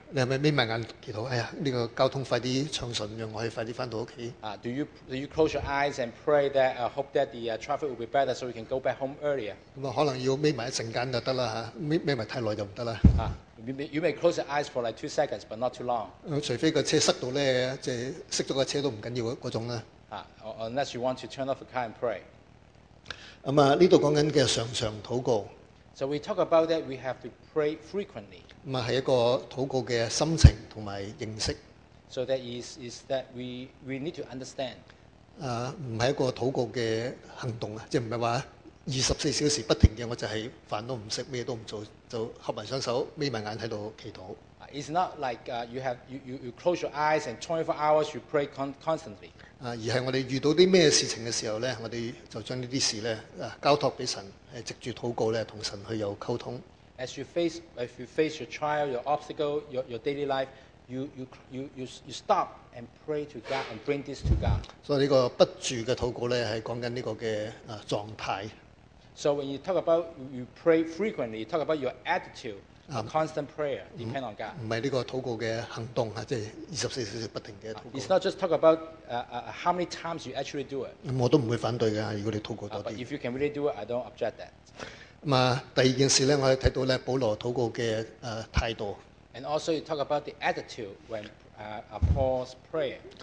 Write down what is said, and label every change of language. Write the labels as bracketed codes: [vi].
[yue] 你系咪眯埋眼祈祷？哎呀，这个交通快啲畅顺，让我可以快啲翻到屋企。 [en] Do you close your eyes and pray that hope that the traffic will be better so we can go back home earlier？ [yue] 可能要眯埋一阵间就得啦吓，眯埋太耐就唔得啦。 [en] You may close your eyes for like 2 seconds, but not too long. [yue] 除非个车塞到咧，即系塞咗个车都唔紧要嗰种啦。 [en] Unless you want to turn off the car and pray. [yue] 呢度讲紧嘅常常祷告。 [en] So we talk about that we have to pray frequently. [yue] 系一个祷告嘅心情同埋认识。 [en] So that is that we need to understand. [yue] 唔系一个祷告嘅行动啊，即系唔系话24小时不停嘅，我就系饭都唔食，咩都唔做。就合埋雙手，眯埋眼喺度祈禱。 [en] It's not like you close your eyes and 24 hours you pray constantly。 [yue] 而係我哋遇到啲咩事情嘅時候咧，我哋就將呢啲事咧交託俾神，藉住禱告咧同神去有溝通。 [en] As you face your trial, your obstacle, your daily life, you stop and pray to God and bring this to God。 [yue] 所以呢個不住嘅禱告咧係講緊呢個嘅狀態。 [en] So when you talk about you pray frequently, you talk about your attitude, constant prayer, depend on God. [yue] 唔係呢個禱告嘅行動啊，即係24小時不停嘅禱告。 [en] It's not just talk about how many times you actually do it. [yue] 我都唔會反對㗎，如果你禱告多啲。 [en] But if you can really do it, I don't object that. [yue] 第二件事咧，我係睇到咧保羅禱告嘅態度。 [en] And also you talk about the attitude when Paul's prayer.